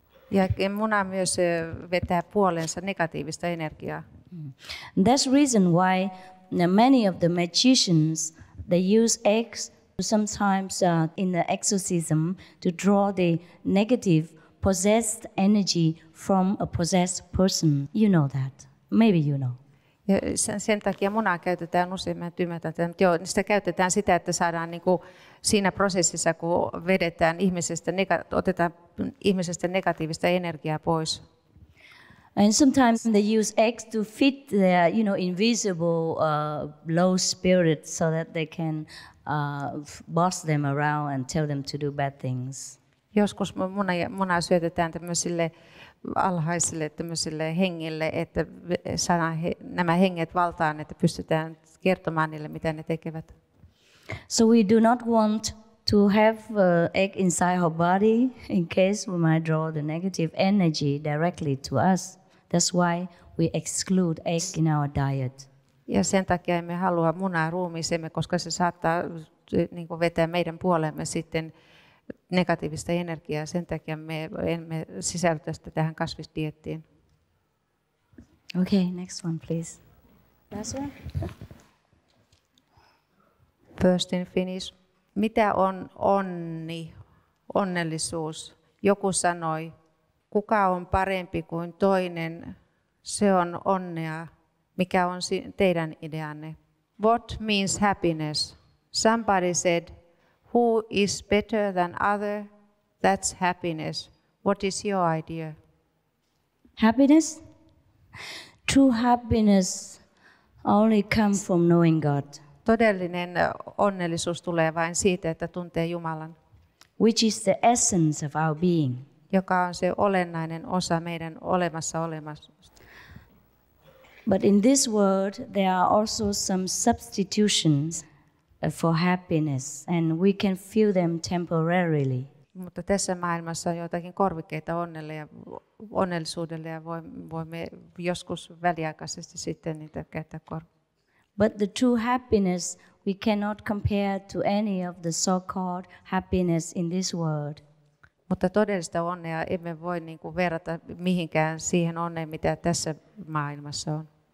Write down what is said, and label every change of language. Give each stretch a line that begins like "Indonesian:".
Finnish: Ja muna myös vetää puoleensa negatiivista energiaa.
English: That's the reason why many of the magicians, they use eggs sometimes in the exorcism to draw the negative possessed energy from a possessed person. You know that. Maybe you know.
Finnish: Ja sen takia munaa käytetään usein, mä ymmärrän tämän. Joo, sitä käytetään sitä, että saadaan niin kuin siinä prosessissa, kun vedetään ihmisestä, otetaan ihmisestä negatiivista energiaa pois.
English: And sometimes they use eggs to feed their, you know, invisible low spirit so that they can boss them around and tell them to do bad things.
Finnish: Joskus munaa syötetään tämmöisille alhaisille tämmöisille hengille, että saadaan nämä henget valtaan, että pystytään kertomaan niille, mitä ne tekevät.
English: So we do not want to have egg inside our body in case we might draw the negative energy directly to us. That's why we exclude egg in our diet.
Finnish: Ja sen takia emme halua munaa ruumiisemme, koska se saattaa niin kuin vetää meidän puolemme sitten negatiivista energiaa. Sen takia me emme sisällytä sitä tähän kasvisdiettiin.
English: Okay, next one please. Last one. First in Finnish.
Finnish: Mitä on onni, onnellisuus? Joku sanoi. Kuka on parempi kuin toinen? Se on onnea. Mikä on teidän ideanne?
English: What means happiness? Somebody said, who is better than other? That's happiness. What is your idea? Happiness? True happiness only comes from knowing God.
Finnish: Todellinen onnellisuus tulee vain siitä, että tuntee Jumalan.
English: Which is the essence of our being.
Finnish: Joka on se olennainen osa meidän olemassaolemassa.
English: But in this world there are also some substitutions for happiness and we can feel them temporarily.
Finnish: Mutta tässä maailmassa on jotakin korvikkeita onnelle ja onnellisuudelle ja voimme joskus väliaikaisesti sitten niitä käyttää
English: But the true happiness we cannot compare to any of the so-called happiness in this world.
Finnish: Mutta todellista onnea emme voi niin kuin verrata mihinkään siihen onneen, mitä tässä maailmassa on.